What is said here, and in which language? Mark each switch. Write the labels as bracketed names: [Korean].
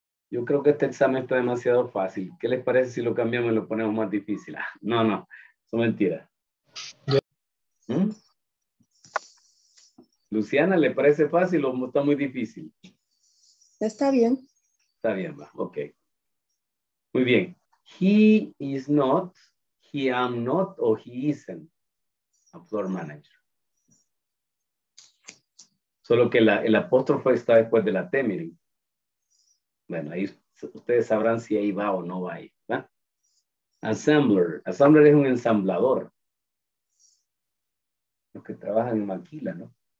[Spanish] Yo creo que este examen está demasiado fácil. ¿Qué les parece si lo cambiamos y lo ponemos más difícil? Ah, no, no, eso es mentira. Luciana, ¿le parece fácil o está muy difícil? Está bien. Está bien, va. Ok. Muy bien. [English] He is not, he am not, o he isn't a floor manager. [Spanish] Solo que el apóstrofe está después de la T, miren. Bueno, ahí ustedes sabrán si ahí va o no va ahí, ¿verdad? Assembler. Assembler es un ensamblador. Los que trabajan en maquila, ¿no?